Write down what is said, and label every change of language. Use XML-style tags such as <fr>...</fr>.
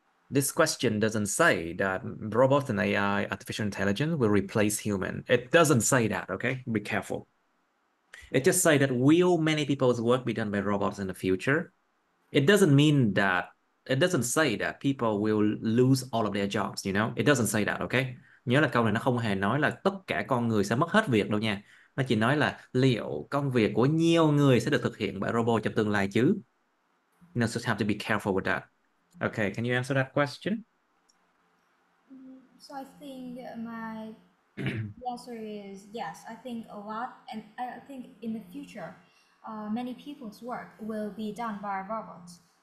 <en>This question doesn't say that robots and AI, artificial intelligence, will replace human. It doesn't say that, okay? Be careful. It just say that will many people's work be done by robots in the future? It doesn't mean that, it doesn't say that people will lose all of their jobs, you know? It doesn't say that, okay?</en> <vi>Nhớ là câu này nó không hề nói là tất cả con người sẽ mất hết việc đâu nha. Nó chỉ nói là liệu công việc của nhiều người sẽ được thực hiện bởi robot trong tương lai chứ?</vi> <en>You just have to be careful with that. Okay, can you answer that question? So I think my answer is yes. I think a lot, and I think in the future, many people's work will be done by robots.</en>